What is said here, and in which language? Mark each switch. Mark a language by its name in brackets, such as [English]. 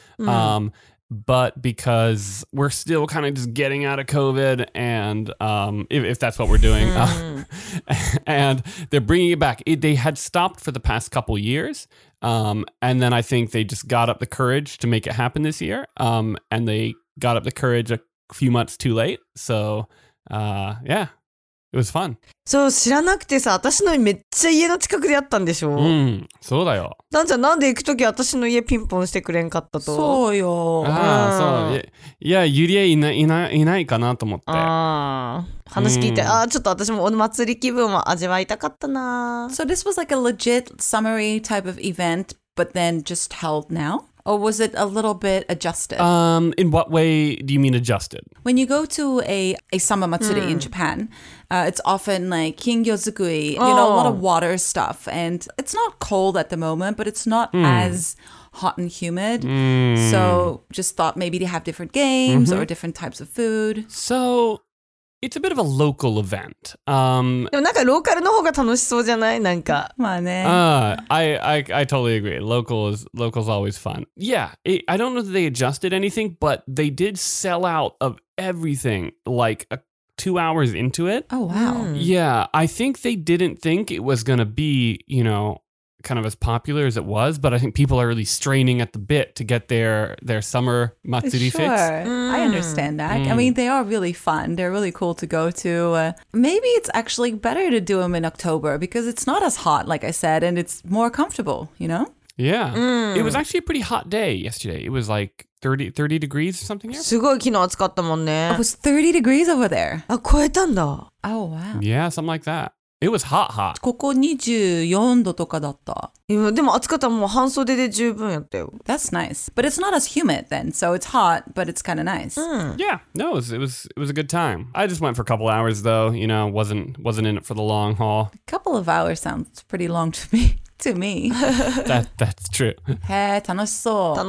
[English] But because we're still kind of just getting out of COVID, and if that's what we're doing, and they're bringing it back. They had stopped for the past couple years, and then I think they just got up the courage to make it happen this year, and they got up the courage a few months too late. So, yeah. It was fun. [Japanese] そう、知らなくてさ、私の家めっちゃ家の近くでやったんでしょ。うん、そうだよ。なんじゃ、なんで行くとき私の家ピンポンしてくれんかったと。そうよ。ああ、そう。いや、ゆりえいないかなと思って。ああ、話聞いて、ああ、ちょっと私もお祭り気分を味わいたかったな。 [English] So this was like a legit summery type of event, but then just held now? Or was it a little bit adjusted? In what way do you mean adjusted? When you go to a summer matsuri in Japan, it's often like kingyozukui, you know, a lot of water stuff. And it's not cold at the moment, but it's not as hot and humid. So just thought maybe they have different games or different types of food. So... It's a bit of a local event. [Japanese] でもなんかローカルの方が楽しそうじゃない?なんか。まあね。 [English] I totally agree. Local's always fun. Yeah, I don't know that they adjusted anything, but they did sell out of everything like two hours into it. Oh, wow. Yeah, I think they didn't think it was going to be, you know... kind of as popular as it was, but I think people are really straining at the bit to get their summer matsuri fix. Sure, I understand that. I mean, they are really fun. They're really cool to go to. Maybe it's actually better to do them in October because it's not as hot, like I said, and it's more comfortable, you know? Yeah. It was actually a pretty hot day yesterday. It was like 30 degrees or something here. [Japanese] すごい昨日暑かったもんね。 [English] It was 30 degrees over there. [Japanese] あ、超えたんだ。 [English] Oh, wow. Yeah, something like that. It was hot, hot. [Japanese] ここ24度とかだった。でも暑かったらもう半袖で十分やったよ。 [English] That's nice. But it's not as humid then, so it's hot, but it's kind of nice. Yeah, no, it was a good time. I just went for a couple hours though, you know, wasn't in it for the long haul. A couple of hours sounds pretty long to me. To me. That's true. [Japanese] へえ、楽しそう。